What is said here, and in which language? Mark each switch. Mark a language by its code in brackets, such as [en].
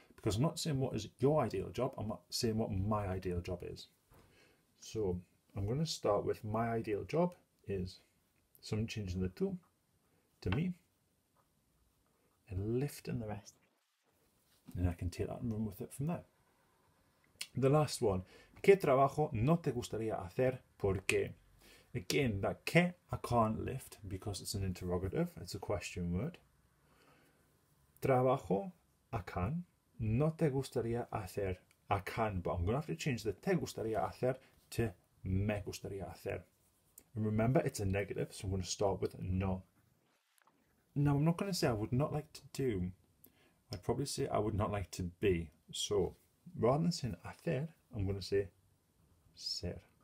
[en] Because I'm not saying what is your ideal job, I'm not saying what my ideal job is. So, I'm going to start with my ideal job is. So, I'm changing the to me, and lifting the rest. And I can take that and run with it from there. The last one, [es] ¿Qué trabajo no te gustaría hacer? ¿Por qué? [en] Again, that que I can't lift because it's an interrogative, it's a question word. Trabajo, I can. [es] No te gustaría hacer, [en] I can. But I'm going to have to change the [es] te gustaría hacer [en] to [es] me gustaría hacer. [en] And remember, it's a negative, so I'm going to start with no. Now, I'm not going to say I would not like to do. I'd probably say I would not like to be. So, rather than saying hacer, I'm going to say ser.